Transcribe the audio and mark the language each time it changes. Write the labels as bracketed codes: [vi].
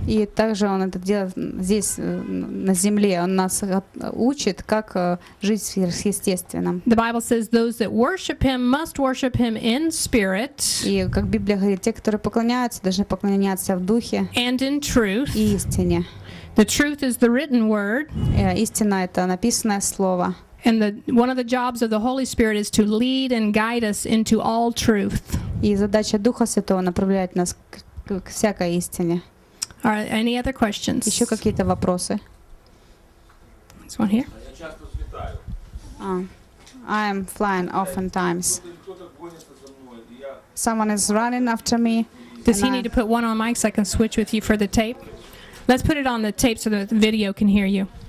[ru] И также он это делает здесь на земле. Он нас учит, как жить сверхъестественным. [en] The Bible says those that worship him must worship him in spirit. [ru] И как Библия говорит, те, которые поклоняются, должны поклоняться в духе. [en] And in truth. [ru] И истине. [en] The truth is the written word. [ru] Истина — это написанное слово. [en] And one of the jobs of the Holy Spirit is to lead and guide us into all truth. [ru] И задача Духа Святого направлять нас к всякой истине. [en] Are any other questions? [ru] Еще какие-то вопросы? [en] This one here. [ru] Я часто взлетаю. [en] I am flying oftentimes. [ru] Кто-то гонится за мной, и я [en] Someone is running after me. Does he need to put one on mic so I can switch with you for the tape? Let's put it on the tape so the video can hear you.